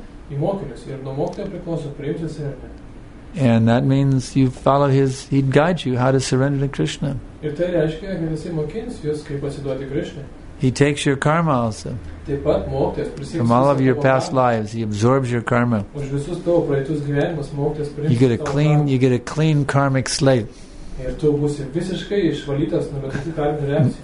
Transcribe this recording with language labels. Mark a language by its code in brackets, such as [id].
[lt] Į mokinius, ir nuo mokytojo priklauso priimtis ir ne. [en] And that means you follow his, he'd guide you how to surrender to Krishna. [lt] Ir tai reiškia, kad jisai mokins jūs, kaip pasiduoti Krishna. [en] He takes your karma also. [lt] Taip pat mokytojas prisiims. [en] From all of your past lives, he absorbs your karma. [lt] Už visus tavo praeitus gyvenimus mokytojas priims. [en] You get a clean karmic slate. [lt] Ir tu būsi visiškai išvalytas nuo bet kokių karminių reakcijų.